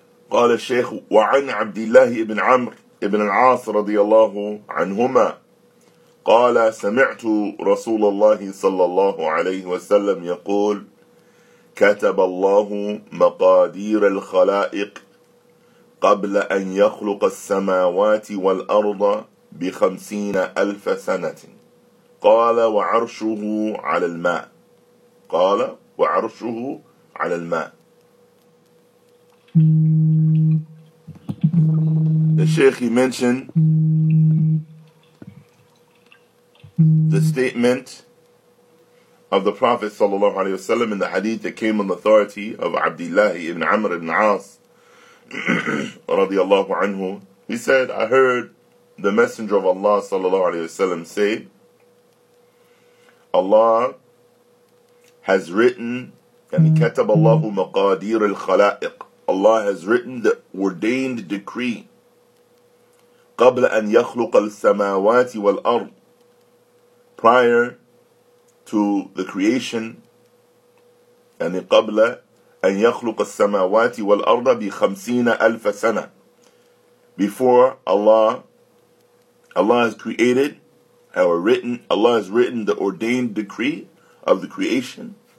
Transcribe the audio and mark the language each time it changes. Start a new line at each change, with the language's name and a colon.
Arabic: قال الشيخ وعن عبد الله بن عمرو بن العاص رضي الله عنهما قال سمعت رسول الله صلى الله عليه وسلم يقول كتب الله مقادير الخلائق قبل أن يخلق السماوات والأرض بخمسين ألف سنة قال وعرشه على الماء قال وعرشه على الماء.
English: The Shaykh, he mentioned the statement of the Prophet sallallahu alaihi wasallam in the hadith that came on the authority of Abdullah ibn Amr ibn As radiyallahu anhu. He said, "I heard the Messenger of Allah sallallahu alaihi wasallam say, Allah has written, and
Arabic: كتب الله مقادير الخلائق.
English: Allah has written the ordained decree.
Arabic: قبل أن يخلق السماوات والأرض.
English: Prior to the creation,
Arabic: يعني قبل أن يخلق السماوات والأرض بخمسين ألف سنة.
English: Before Allah has created, or written, Allah has written the ordained decree of the creation.